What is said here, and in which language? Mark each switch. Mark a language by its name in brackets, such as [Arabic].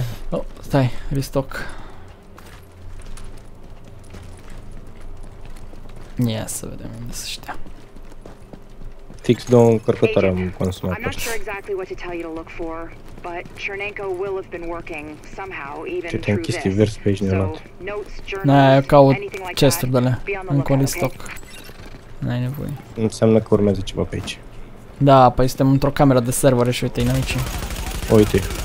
[Romanian] Oh, stai, restock. Ia să vedem unde se știa. Fix două încărcătoare am consumat. [English] I'm not sure exactly what to tell you to look for, but Chernenko will have been working somehow even through this. [Romanian] Ce chestii vers pe aici ne-a luat. Na, eu caut chesturi de alea, încă un restock. N-ai nevoie. Înseamnă că urmează ceva pe aici. Da, păi suntem într-o cameră de server și uite-i aici. Uite.